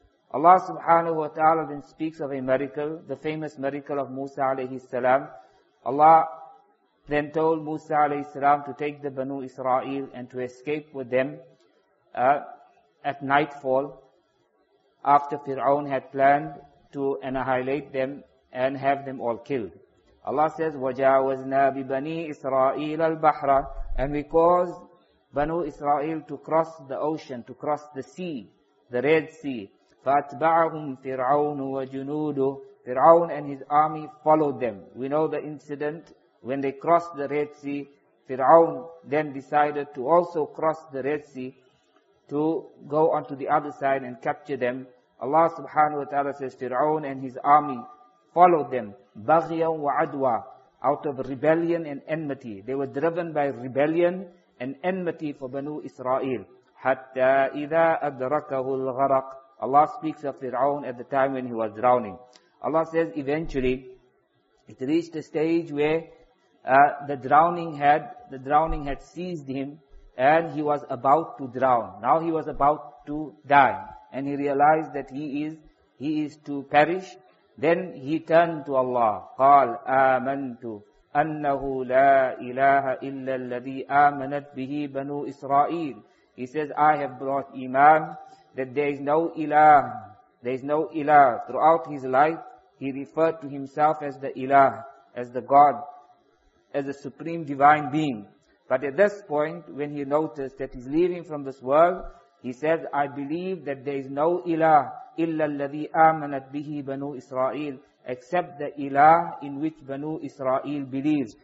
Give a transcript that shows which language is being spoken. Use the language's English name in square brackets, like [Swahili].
[English] Allah subhanahu wa ta'ala then speaks of a miracle, the famous miracle of Musa alayhi salam. Allah then told Musa alayhi salam to take the Banu Israel and to escape with them at nightfall, after Fir'aun had planned to annihilate them and have them all killed. Allah says, [Arabic] وَجَاوَزْنَا بِبَنِي إِسْرَائِيلَ الْبَحْرَ. [English] And we caused Banu Israel to cross the ocean, to cross the sea, the Red Sea. [Arabic] فَأَتْبَعَهُمْ فِرْعَوْنُ وَجُنُودُهُ. [English] Fir'aun and his army followed them. We know the incident when they crossed the Red Sea. Fir'aun then decided to also cross the Red Sea to go onto the other side and capture them. Allah subhanahu wa ta'ala says, Fir'aun and his army followed them. [Arabic] بَغْيًا وَعَدْوَى. [English] Out of rebellion and enmity. They were driven by rebellion and enmity for Banu Israel. [Arabic] حَتَّى إِذَا أَدْرَكَهُ الْغَرَقُ. [English] Allah speaks of Fir'aun at the time when he was drowning. Allah says eventually it reached a stage where the drowning had seized him and he was about to drown. Now he was about to die and he realized that he is to perish. Then he turned to Allah. [Arabic] قال آمنت أنه لا إله إلا الذي آمنت به بنو إسرائيل. [English] He says, I have brought iman that there is no ilah. There is no ilah. Throughout his life, he referred to himself as the ilah, as the God, as the supreme divine being. But at this point, when he noticed that he's leaving from this world, he says, I believe that there is no [Arabic] ilah illa alladhi amanat bihi banu Israel, [English] except the ilah in which banu Israel believes.